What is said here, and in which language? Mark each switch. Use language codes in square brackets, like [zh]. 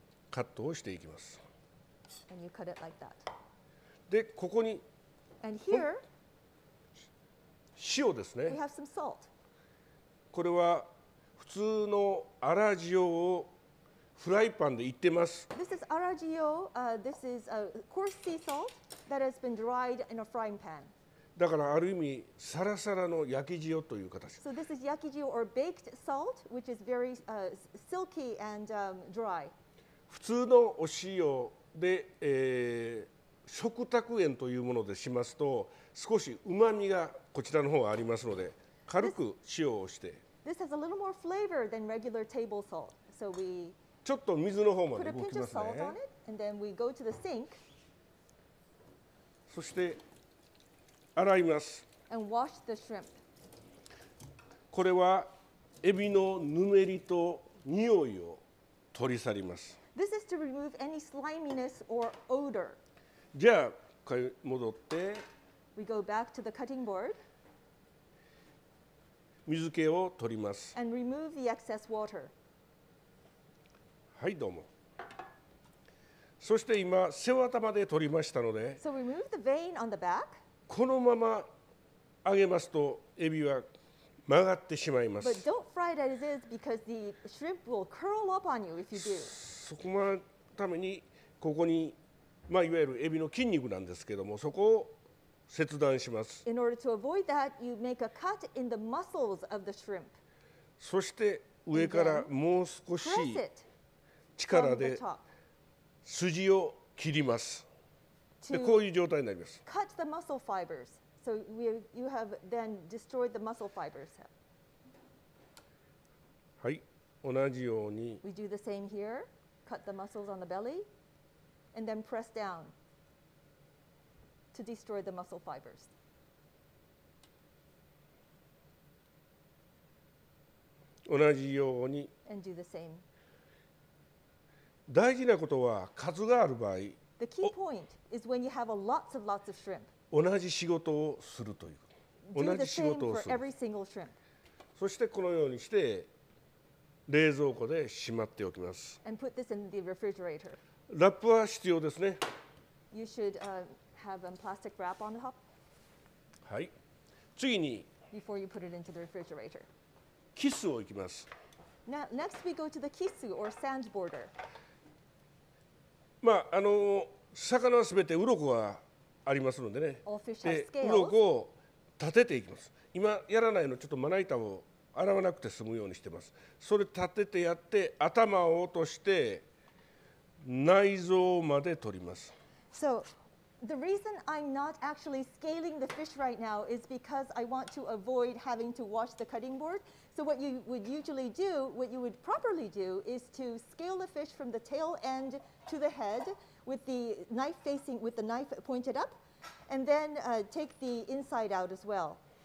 [ja] カットをしていきます。 [en] And you cut it like that. [ja] で、ここに。 [en] And here, [ja] 塩ですね。 [en] We have some salt. [ja] これは普通の粗塩をフライパンでいってます。 [en] This is 粗塩。 This is a coarse sea salt that has been dried in a frying pan. [ja] だからある意味サラサラの焼き塩という形。 [en] So this is 焼き塩 or baked salt, which is very silky and dry. [ja] 普通のお塩で、食卓塩というものでしますと、少し旨味がこちらの方はありますので、軽く塩をして。 [en] This has a little more flavor than regular table salt, so we [ja] ちょっと水の方まで動きますね。 [en] Put a pinch of salt on it, and then we go to the sink. [ja] そして洗います。 [en] And wash the shrimp. [ja] これはエビのぬめりと匂いを取り去ります。 [en] This is to remove any sliminess or odor. [ja] じゃあ、戻って、 [en] We go back to the cutting board. [ja] 水気を取ります。 [en] And remove the excess water. [ja] はい、どうも。そして今、背わたまで取りましたので、 [en] So remove the vein on the back. [ja] このまま揚げますと、エビは曲がってしまいます。 [en] But don't fry it as is because the shrimp will curl up on you if you do. [ja] そこのために、ここにまあ、いわゆるエビの筋肉なんですけども、そこを切断します。 [en] In order to avoid that, you make a cut in the muscles of the shrimp. [ja] そして上からもう少し力で筋を切ります。で、こういう状態になります。 [en] Cut the muscle fibers. So you have then destroyed the muscle fibers. [ja] はい、同じように。 [en] We do the same here. Cut the muscles on the belly. And then press down to destroy the muscle fibers. And do the same. [ja] 大事なことは数がある場合。 [en] The key point is when you have lots of shrimp. [ja] 同じ仕事をするという。同じ仕事をする。 [en] Do the same for every single shrimp. [ja] そしてこのようにして冷蔵庫でしまっておきます。 [en] And put this in the refrigerator. [ja] ラップは必要ですね。 [en] You should have a plastic wrap on top. [ja] はい。次に、 [en] Before you put it into the refrigerator. [ja] キスをいきます。 [en] Next we go to the kisu or sand border. [ja] まあ、魚はすべて鱗がありますのでね。で、鱗を立てていきます。今やらないのちょっとまな板を洗わなくて済むようにしてます。それ立ててやって頭を落として内臓まで取ります。 [en] So the reason I'm not actually scaling the fish right now is because I want to avoid having to wash the cutting board. So what you would usually do, what you would properly do, is to scale the fish from the tail end to the head. With the knife facing, with the knife pointed up, and then take the inside out as well.